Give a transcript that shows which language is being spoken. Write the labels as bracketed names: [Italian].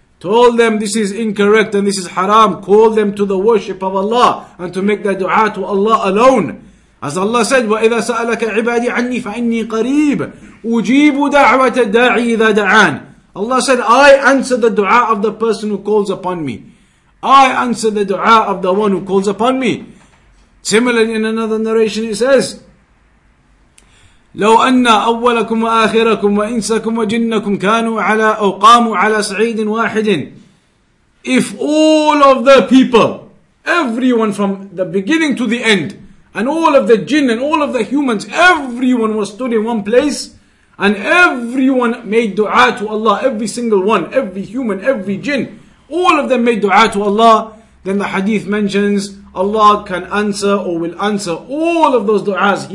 [English] Told them this is incorrect and this is haram. Call them to the worship of Allah and to make their dua to Allah alone. As Allah said, [Arabic] وَإِذَا سَأَلَكَ عِبَادِي عَنِّي فَإِنِّي قَرِيبٌ أُجِيبُ دَعْوَةَ الدَّاعِي إِذَا دَعَانِ. [English] Allah said, I answer the dua of the person who calls upon me. I answer the dua of the one who calls upon me. Similarly, in another narration it says, [Arabic] لو أن أولكم وآخركم وإنسكم وجنكم كانوا على أو قاموا على صعيد واحد. [English] If all of the people, everyone from the beginning to the end, and all of the jinn and all of the humans, everyone was stood in one place, and everyone made dua to Allah, every single one, every human, every jinn, all of them made dua to Allah, then the hadith mentions Allah can answer or will answer all of those du'as.